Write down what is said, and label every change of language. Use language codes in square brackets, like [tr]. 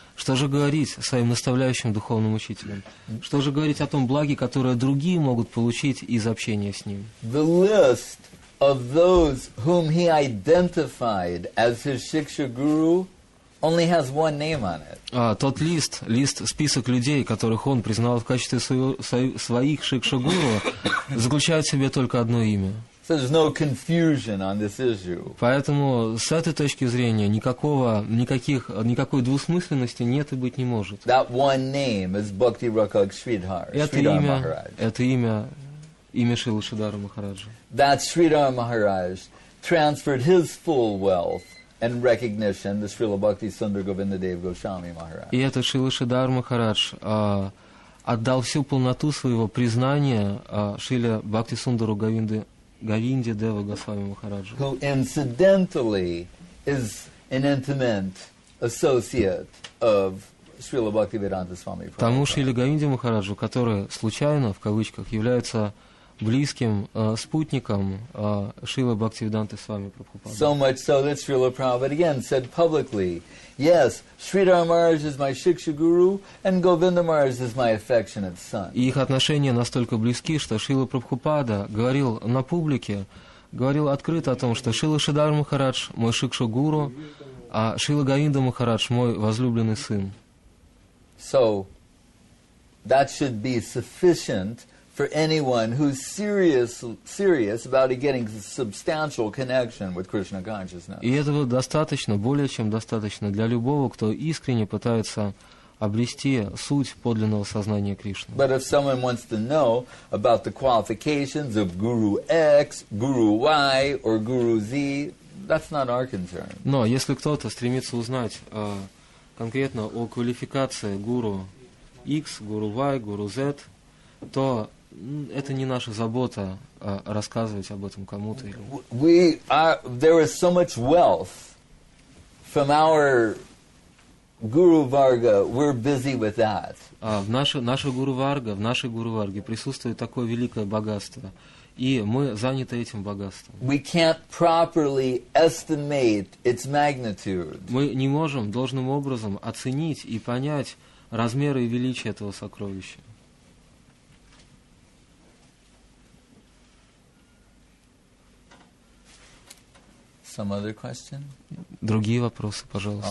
[ru] Что же говорить своим наставляющим духовным учителем? Что же говорить о том благе, которое другие могут получить из общения с ним? [en] The list of those whom he identified as his shiksha guru only has one name on it. [ru] Тот лист, список людей, которых он признал в качестве своих шикшагуру, заключает в себе только одно имя. [en] So there's no confusion on this issue. [ru] Поэтому с этой точки зрения никакой двусмысленности нет и быть не может. [en] That one name is Bhakti Rakak Sridhar. [ru] Это имя Шрилы Шридхара Махараджа. [en] That Sridhar Maharaj transferred his full wealth and recognition to Srila Bhakti Sundar Govindadeva Goswami Maharaj. [ru] И этот Шрила Шридхар Махарадж отдал всю полноту своего признания Шриле Бхакти Сундару Говинде Дева Госвами Махараджа. [en] Who incidentally is an intimate associate of Srila Bhaktivedanta Swami Prabhupada. [ru] Тому Шриле Говинде Махараджу, который случайно, в кавычках, является близким спутником Шрилы Бхактивиданты Свами Прабхупады. [en] So much so that Srila Prabhupada again said publicly, yes, Sridhar Maharaj is my Shiksha Guru, and Govinda Maharaj is my affectionate son. [ru] И их отношения настолько близки, что Шрила Прабхупада говорил на публике, говорил открыто о том, что Шрила Шридхар Махарадж мой Шикша Гуру, а Шрила Говинда Махарадж мой возлюбленный сын. [en] So, that should be sufficient for anyone who's serious about getting substantial connection with Krishna consciousness. [ru] И этого достаточно, более чем достаточно для любого, кто искренне пытается обрести суть подлинного сознания Кришны. [en] But if someone wants to know about the qualifications of Guru X, Guru Y, or Guru Z, that's not our concern. [ru] Но если кто-то стремится узнать конкретно о квалификации Guru X, Guru Y, Guru Z, то это не наша забота рассказывать об этом кому-то. [en] There is so much wealth from our Guru Varga. We're busy with that. [ru] В нашей Гуру Варге присутствует такое великое богатство, и мы заняты этим богатством. [en] We can't properly estimate its magnitude. [ru] Мы не можем должным образом оценить и понять размеры и величие этого сокровища. [en] Some other question? [ru] Другие вопросы, пожалуйста.